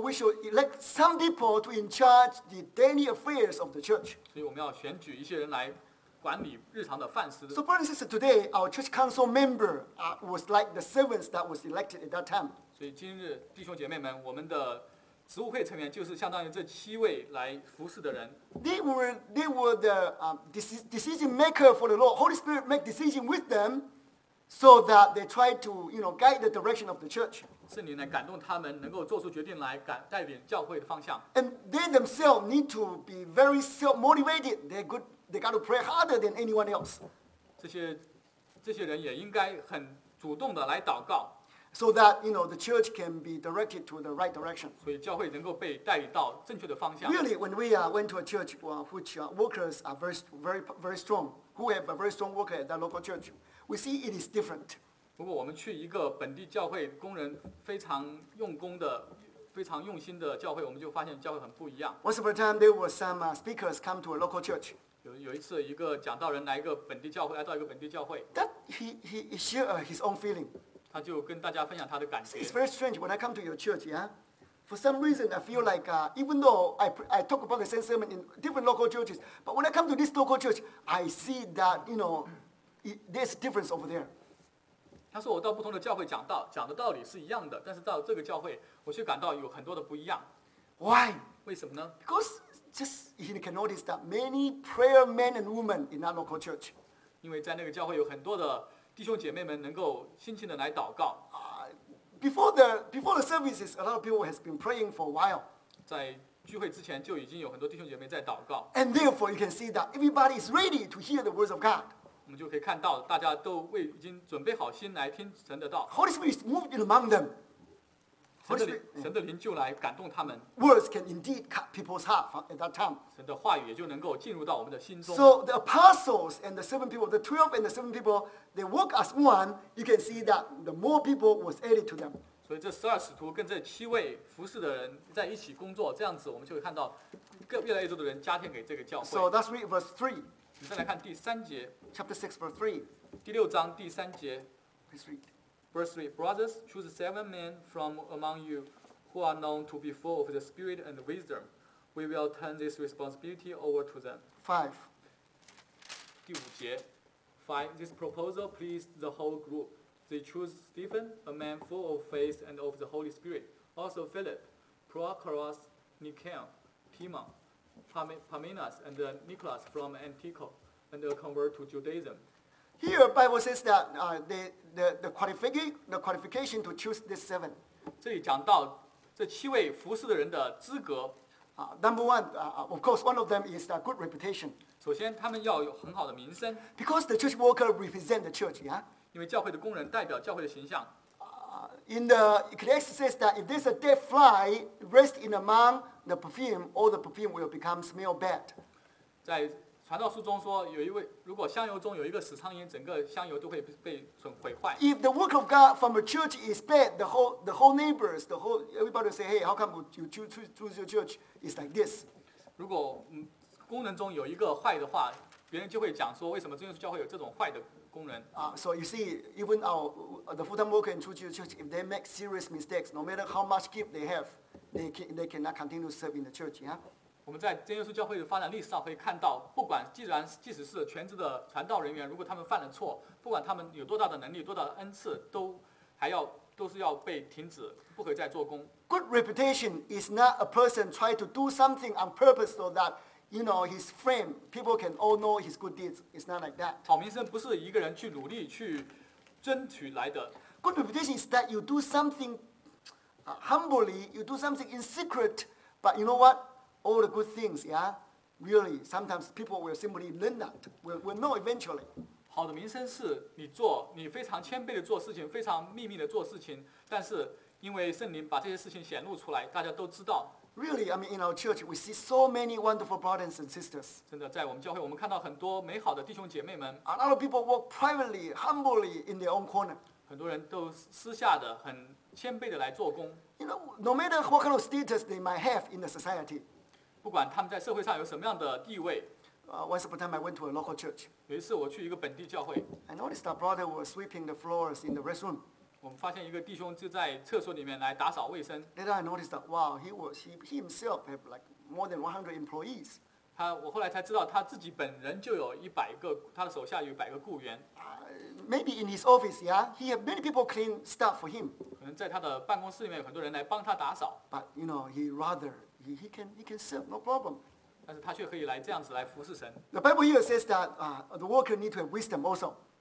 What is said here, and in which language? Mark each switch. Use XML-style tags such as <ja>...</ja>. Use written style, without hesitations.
<en>we should elect some people to in charge the daily affairs of the church.</en> <zh>所以我们要选举一些人来管理日常的饭食。</zh> <en>So, brothers and sisters, today our church council member was like the servants that was elected at that time.</en> <zh>所以今日弟兄姐妹们，我们的职务会成员就是相当于这7位来服侍的人。</zh> <en>They were the decision maker for the Lord. Holy Spirit make decision with them, so that they try to, you know, guide the direction of the church.</en> <zh>圣灵来感动他们，能够做出决定来带领教会的方向。</zh> <en>And they themselves need to be very self-motivated. They got to pray harder than anyone else.</en> <zh>这些这些人也应该很主动的来祷告。</zh> <en>So that, you know, the church can be directed to the right direction.</en> <zh>所以教会能够被带领到正确的方向。</zh> <en>Really, when we went to a church, which workers are very, very, very strong, who have a very strong worker at that local church, we see it is different.</en> <zh>如果我们去一个本地教会，工人非常用功的、非常用心的教会，我们就发现教会很不一样。</zh> <en>Once upon a time, there were some speakers come to a local church.</en> <zh>有一次，一个讲道人来一个本地教会，来到一个本地教会。</zh> <en>That he shared his own feeling.</en> <zh>他就跟大家分享他的感觉。</zh> <en>It's very strange when I come to your church, yeah. For some reason, I feel like even though I talk about the same sermon in different local churches, but when I come to this local church, I see that you know there's difference over there.</en> <zh>他说我到不同的教会讲道，讲的道理是一样的，但是到这个教会，我却感到有很多的不一样。</zh> <en>Why?</en> <zh>为什么呢</zh> <en>？Because just you can notice that many prayer men and women in that local church.</en> <zh>因为在那个教会有很多的。弟兄姐妹们能够辛勤的来祷告。</zh> <en>Before the services, a lot of people has been praying for a while.</en> <zh>在聚会之前就已经有很多弟兄姐妹在祷告。</zh> <en>And therefore, you can see that everybody is ready to hear the words of God.</en> <zh>我们就可以看到，大家都为已经准备好心来听神的道。</zh> <en>Holy Spirit moved in among them.</en> <zh>神的灵就来感动他们。</zh> <en>Words can indeed cut people's heart at that time.</en> <zh>神的话语也就能够进入到我们的心中。</zh> <en>So the apostles and the seven people, the 12 and the seven people. They work as one. You can see that the more people was added to them.</en> <zh>所以这十二使徒跟这七位服事的人在一起工作，这样子我们就会看到更越来越多的人加添给这个教会。</zh> <en>So that's read verse 3.</en> <zh>我们再来看第三节。</zh> <en>Chapter 6, verse 3.</en> <zh>第六章第三节。</zh> <en>Please read. Verse 3. Brothers, choose seven men from among you who are known to be full of the Spirit and wisdom. We will turn this responsibility over to them. 5.</en> <zh>第五节。</zh> <en>5. This proposal pleased the whole group. They chose Stephen, a man full of faith and of the Holy Spirit. Also Philip, Prochorus, Nicanor, Timon, Parmenas, and Nicholas from Antioch, and a convert to Judaism. Here, the Bible says that the qualification to choose these seven.</en> <zh>这里讲到这七位服事的人的资格。</zh> <en>Number one, of course, one of them is a good reputation.</en> <zh>首先，他们要有很好的名声。</zh> <en>Because the church worker represent the church, yeah.</en> <zh>因为教会的工人代表教会的形象。</zh> <en>In the Ecclesiastes says that if there's a dead fly rest in among the perfume, all the perfume will become smell bad.</en> <zh>在传道书中说，有一位如果香油中有一个死苍蝇，整个香油都会被毁坏。</zh> <en>If the work of God from a church is bad, the whole neighbors, the whole everybody say, hey, how come you choose your church is like this?</en> <zh>如果工人中有一个坏的话，别人就会讲说，为什么真耶稣教会有这种坏的工人？</zh> <en>So you see, even the full-time worker in True Jesus Church, if they make serious mistakes, no matter how much gift they have, they cannot continue to serve in the church, yeah?</en> <zh>我们在真耶稣教会的发展历史上会看到，不管即使是全职的传道人员，如果他们犯了错，不管他们有多大的能力、多大的恩赐，都是要被停止，不可以再做工。</zh> <en>Good reputation is not a person try to do something on purpose so that. You know his fame. People can all know his good deeds. It's not like that.</en> <zh>好名声不是一个人去努力去争取来的。</zh> <en>Good reputation is that you do something humbly. You do something in secret. But you know what? All the good things, yeah. Really, sometimes people will simply learn that. Will know eventually.</en> <zh>好的名声是你做，你非常谦卑的做事情，非常秘密的做事情。但是因为圣灵把这些事情显露出来，大家都知道。</zh> <en>Really, I mean, in our church, we see so many wonderful brothers and sisters.</en> <zh>真的，在我们教会，我们看到很多美好的弟兄姐妹们。</zh> <en>A lot of people work privately, humbly in their own corner.</en> <zh>很多人都私下的、很谦卑的来做工。</zh> <en>You know, no matter what kind of status they might have in the society,</en> <zh>不管他们在社会上有什么样的地位。</zh> <en>Once upon a time, I went to a local church.</en> <zh>有一次，我去一个本地教会。</zh> <en>I noticed that brother was sweeping the floors in the restroom.</en> <zh>我们发现一个弟兄就在厕所里面来打扫卫生。</zh> <en>Later I noticed that, wow, he himself have like more than 100 employees.</en> <zh>我后来才知道他自己本人就有100个，他的手下有100个雇员。</zh> <en>Maybe in his office, yeah, he have many people clean stuff for him.</en> <zh>可能在他的办公室里面有很多人来帮他打扫。</zh> <en>But you know, he can serve, no problem.</en> <zh>但是他却可以来这样子来服侍神。</zh> <en>The Bible here says that the worker need to have wisdom also.</en>